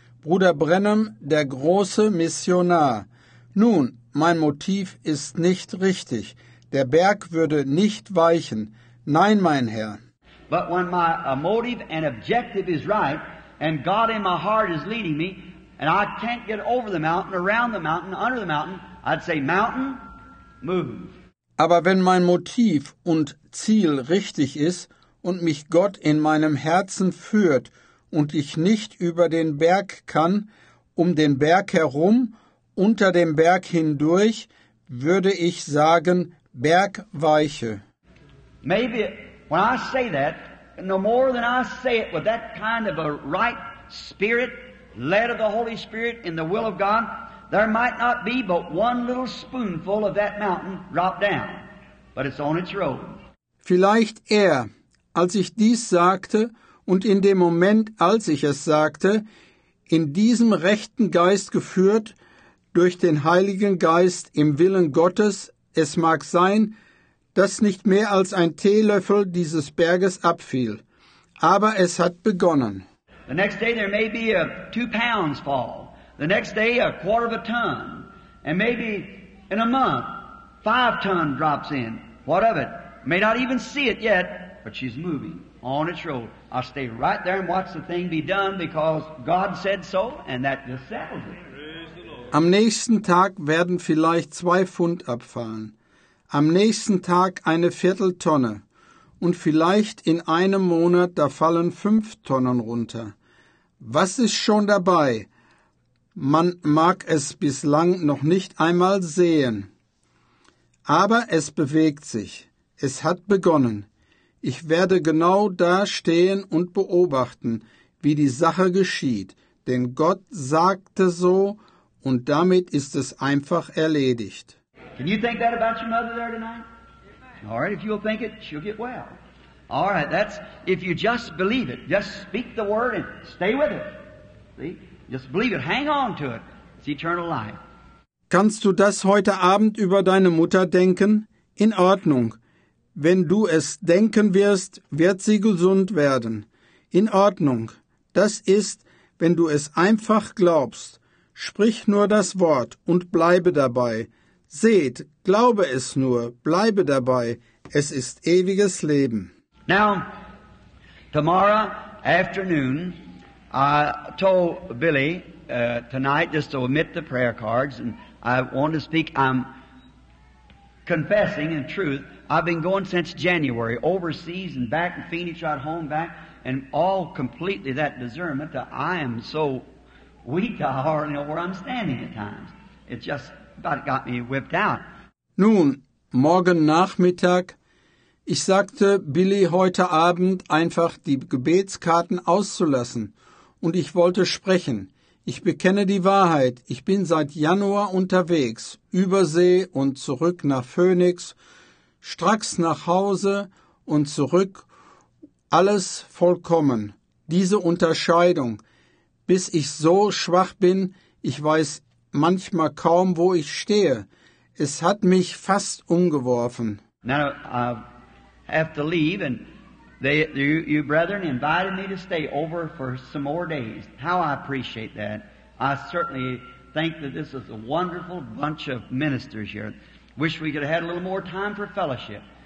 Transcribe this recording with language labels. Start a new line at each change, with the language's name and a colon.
German: Bruder Branham, der große Missionar. Nun, mein Motiv ist nicht richtig. Der Berg würde nicht weichen. Nein, mein Herr.
English: But when my motive and objective is right, and God in my heart is leading me, and I can't get over the mountain, around the mountain, under the mountain, I'd say, mountain, move.
German: Aber wenn mein Motiv und Ziel richtig ist und mich Gott in meinem Herzen führt und ich nicht über den Berg kann, um den Berg herum, unter dem Berg hindurch, würde ich sagen, Berg weiche.
English: Maybe when I say that, no more than I say it with that kind of a right spirit, led of the Holy Spirit in the will of God, there might not be but one little spoonful of that mountain drop down, but it's on its road.
German: Vielleicht eher, als ich dies sagte und in dem Moment, als ich es sagte, in diesem rechten Geist geführt, durch den Heiligen Geist im Willen Gottes, es mag sein, dass nicht mehr als ein Teelöffel dieses Berges abfiel. Aber es hat begonnen.
English: The next day there may be a 2 pounds fall. The next day a quarter of a ton. And maybe in a month, 5 ton drops in. What of it? May not even see it yet, but she's moving on its road. I'll stay right there and watch the thing be done because God said so, and that just settles it. Praise the Lord.
German: Am nächsten Tag werden vielleicht 2 Pfund abfallen. Am nächsten Tag eine Vierteltonne. Und vielleicht in einem Monat, da fallen 5 Tonnen runter. Was ist schon dabei? Man mag es bislang noch nicht einmal sehen. Aber es bewegt sich. Es hat begonnen. Ich werde genau da stehen und beobachten, wie die Sache geschieht. Denn Gott sagte so, und damit ist es einfach erledigt.
English: Can you think that about your mother there tonight? All right, if you'll think it, she'll get well. All right, that's, if you just believe it, just speak the word and stay with it. See, just believe it, hang on to it. It's eternal life.
German: Kannst du das heute Abend über deine Mutter denken? In Ordnung. Wenn du es denken wirst, wird sie gesund werden. In Ordnung. Das ist, wenn du es einfach glaubst. Sprich nur das Wort und bleibe dabei. Seht, glaube es nur, bleibe dabei. Es ist ewiges Leben.
English: Now, tomorrow afternoon, I told Billy tonight just to omit the prayer cards, and I want to speak. I'm confessing in truth. I've been going since January, overseas and back in Phoenix, right home back, and all completely that discernment that I am so weak I hardly know where I'm standing at times. It just about got me whipped out.
German: Nun, morgen Nachmittag, ich sagte Billy heute Abend einfach die Gebetskarten auszulassen und ich wollte sprechen. Ich bekenne die Wahrheit, ich bin seit Januar unterwegs, Übersee und zurück nach Phoenix, stracks nach Hause und zurück, alles vollkommen. Diese Unterscheidung, bis ich so schwach bin, ich weiß manchmal kaum, wo ich stehe. Es hat mich fast umgeworfen.
English: Now, I have to leave and you brethren invited me to stay over for some more days. How I appreciate that. I certainly think that this is a wonderful bunch of ministers here. Wish we could have had a little more time for fellowship.